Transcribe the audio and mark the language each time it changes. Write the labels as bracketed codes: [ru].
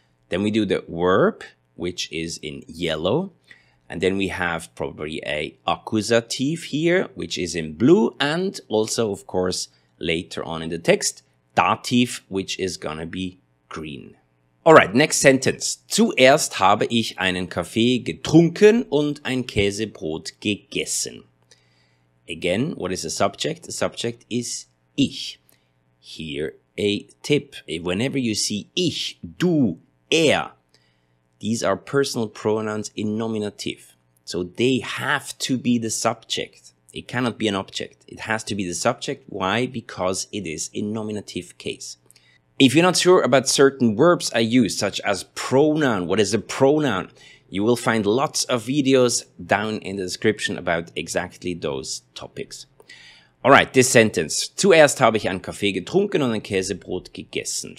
[en] Then we do the verb, which is in yellow. And then we have probably a accusative here, which is in blue. And also, of course, later on in the text, dativ, which is going to be green. Alright, next sentence. [de] Zuerst habe ich einen Kaffee getrunken und ein Käsebrot gegessen. [en] Again, what is the subject? The subject is ich. Here, a tip. Whenever you see ich, du, these are personal pronouns in nominative. So they have to be the subject. It cannot be an object. It has to be the subject. Why? Because it is in nominative case. If you're not sure about certain verbs I use, such as pronoun, what is a pronoun? You will find lots of videos down in the description about exactly those topics. All right, this sentence. [de] Zuerst habe ich einen Kaffee getrunken und ein Käsebrot gegessen.